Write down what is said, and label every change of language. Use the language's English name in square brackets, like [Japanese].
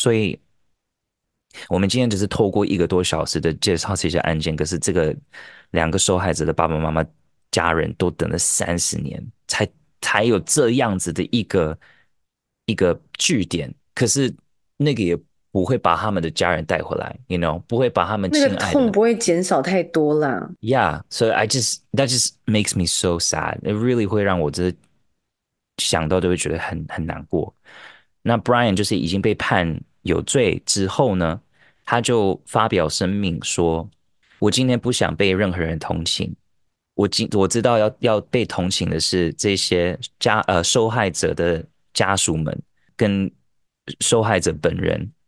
[Chinese] 所以，我们今天只是透过1个多小时的介绍这些案件，可是这个两个受害者的爸爸妈妈家人都等了30年，才有这样子的一个据点。可是那个也不会把他们的家人带回来，you know，不会把他们那个亲爱的。痛不会减少太多啦。 [English] So that just makes me so sad. It really [Chinese] 会让我这想到都会觉得很难过。那 Brian 就是已经被判有罪之后呢，他就发表声明说：“我今天不想被任何人同情。我知道要被同情的是这些受害者的家属们跟受害者本人。